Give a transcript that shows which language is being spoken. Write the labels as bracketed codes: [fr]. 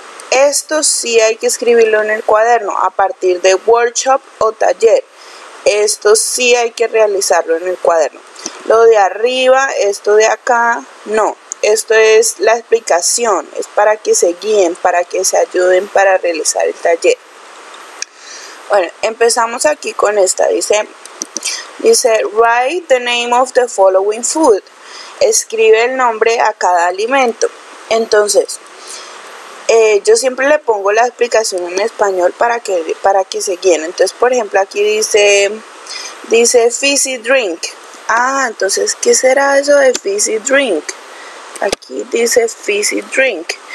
[es] Esto sí hay que escribirlo en el cuaderno a partir de workshop o taller. Esto sí hay que realizarlo en el cuaderno. Lo de arriba, esto de acá, no. Esto es la explicación. Es para que se guíen, para que se ayuden para realizar el taller. Bueno, empezamos aquí con esta. [en] Dice, write the name of the following food. [es] Escribe el nombre a cada alimento. Entonces, yo siempre le pongo la explicación en español para que se guíen. Entonces, por ejemplo, aquí dice fizzy drink. Ah, entonces, ¿qué será eso de fizzy drink? Aquí dice fizzy drink.